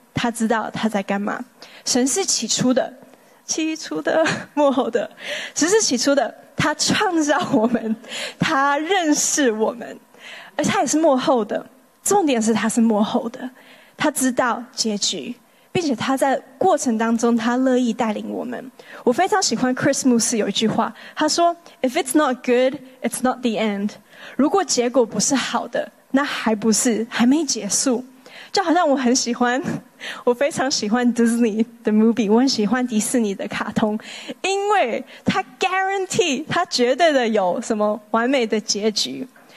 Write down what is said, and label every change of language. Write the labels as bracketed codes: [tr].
[zh] 他知道他在干嘛。神是起初的，起初的，幕后的，神是起初的，他创造我们，他认识我们，而他也是幕后的，重点是他是幕后的，他知道结局，并且他在过程当中他乐意带领我们。我非常喜欢 Chris 牧师有一句话，他说 [en] If it's not good, it's not the end. [zh] 如果结果不是好的，那还不是，还没结束。就好像我很喜欢，我非常喜欢 Disney 的 movie， 我很喜欢迪士尼的卡通，因为它 guarantee， 它绝对的有什么完美的结局。